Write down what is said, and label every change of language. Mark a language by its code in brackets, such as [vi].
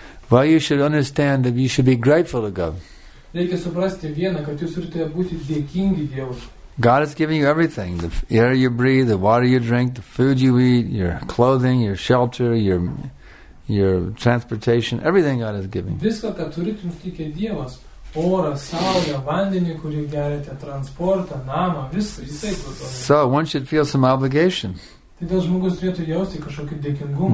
[en] Well, you should understand that you should be grateful to God. [lt] Reikia suprasti vieną, kad jūs turite būti dėkingi Dievui. [en] God is giving you everything. The air you breathe, the water you drink, the food you eat, your clothing, your shelter, your transportation, everything God is giving. [lt] Viską, ką turite, jums teikia Dievas. Orą, saulę, vandenį, kurį geriate, transportą, namą, visą, jisai to. [en] So, one should feel some obligation. [lt] Tai dėl žmogus turėtų jausti kažkokį dėkingumą.